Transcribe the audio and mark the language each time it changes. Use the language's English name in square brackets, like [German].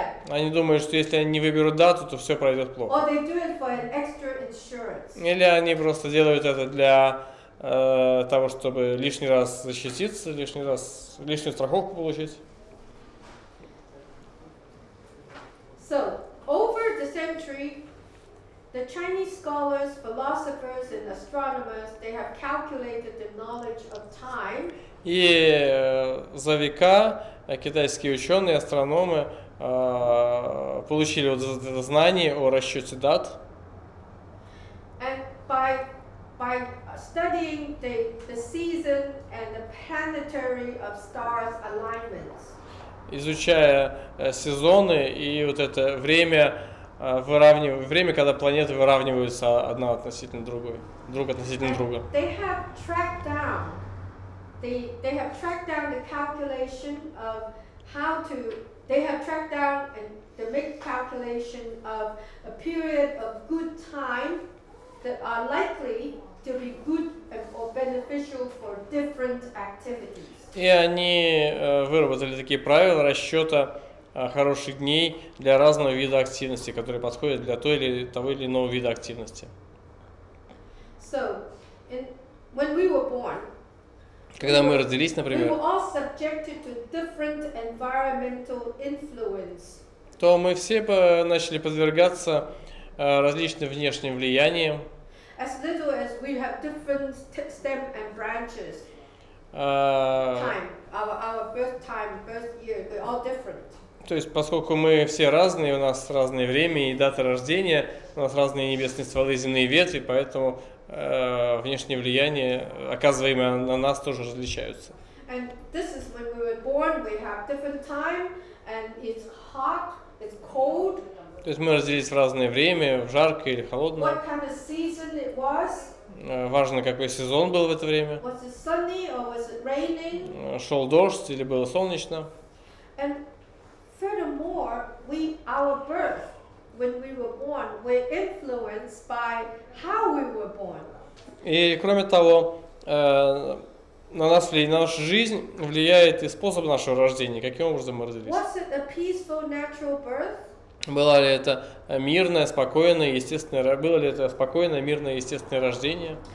[Russian] Они думают, что если они не выберут дату, то все пройдет плохо. [English] Or they do it for an extra insurance. [Russian] Или они просто делают это для того, чтобы лишний раз защититься, лишнюю страховку получить. [English] So, over the century, the Chinese scholars, philosophers, and astronomers, they have calculated the knowledge of time. [Russian] И за века китайские ученые, астрономы получили знание о расчете дат. [English] And by studying the season and the planetary of stars alignments. [Russian] Изучая сезоны и вот это время. Время, когда планеты выравниваются одна относительно другой, друг относительно [English] and [Russian] друга. [English] They have tracked down. They have tracked down the calculation of how to. They have tracked down and the make calculation of a period of good time that are likely to be good or beneficial for different activities. [Russian] И они выработали такие правила расчета хороших дней для разного вида активности, которые подходят для той или того или иного вида активности. [English] So, when we were born, [Russian] когда мы родились, например, [English] we were all subjected to different environmental influence. [Russian] То мы все начали подвергаться различным внешним влияниям. [English] As little as we have different stem and branches. Time, our birth time, birth year, they're all different. [Russian] То есть, поскольку мы все разные, у нас разное время и дата рождения, у нас разные небесные стволы, земные ветви, поэтому внешнее влияние, оказываемое на нас, тоже различаются. [English] And this is when we were born, we have different time, and it's hot, it's cold. [Russian] То есть мы родились в разное время, в жаркое или холодное. [English] What kind of season it was? [Russian] Важно, какой сезон был в это время. [English] Was it sunny or was it raining? [Russian] Шел дождь или было солнечно. [English] And furthermore, we, our birth, when we were born, were influenced by how we were born. [Russian] И кроме того, на нас влияет, на нашу жизнь влияет и способ нашего рождения, каким образом мы родились. [English] Was it a peaceful, natural birth? [Russian] Было ли это мирное, спокойное, естественное, было ли это спокойное, мирное, естественное рождение?